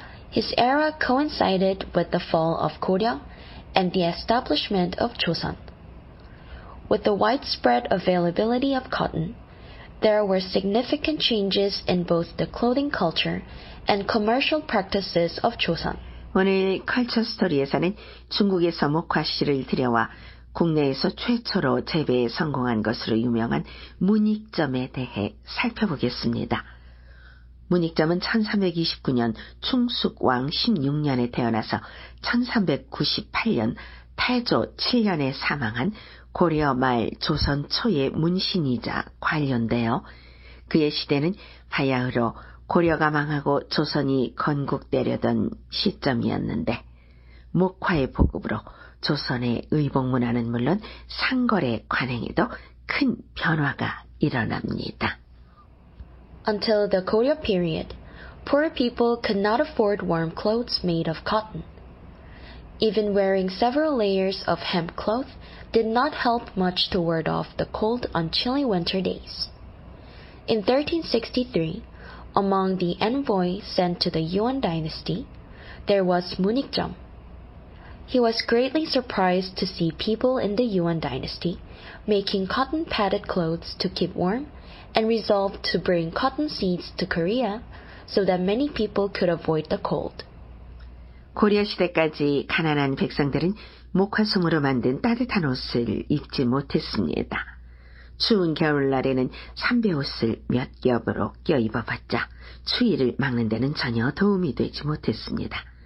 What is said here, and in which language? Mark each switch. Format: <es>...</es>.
<en>His era coincided with the fall of Goryeo and the establishment of Joseon. With the widespread availability of cotton, there were significant changes in both the clothing culture and commercial practices of Joseon.</en> <ko>오늘 컬처 스토리에서는 중국에서 목화씨를 들여와 국내에서 최초로 재배에 성공한 것으로 유명한 문익점에 대해 살펴보겠습니다. 문익점은 1329년 충숙왕 16년에 태어나서 1398년 태조 7년에 사망한 고려 말 조선 초의 문신이자 관료인데요. 그의 시대는 하야흐로 고려가 망하고 조선이 건국되려던 시점이었는데 목화의 보급으로 조선의 의복문화는 물론 상거래 관행에도 큰 변화가 일어납니다.</ko> <en>Until the Goryeo period, poor people could not afford warm clothes made of cotton. Even wearing several layers of hemp cloth did not help much to ward off the cold on chilly winter days. In 1363, among the envoys sent to the Yuan dynasty, there was Munik Jung. He was greatly surprised to see people in the Yuan dynasty making cotton padded clothes to keep warm and resolved to bring cotton seeds to Korea so that many people could avoid the cold.</en> <ko>고려 시대까지 가난한 백성들은 목화솜으로 만든 따뜻한 옷을 입지 못했습니다. 추운 겨울날에는 삼베 옷을 몇 겹으로 껴 입어봤자 추위를 막는 데는 전혀 도움이 되지 못했습니다.</ko>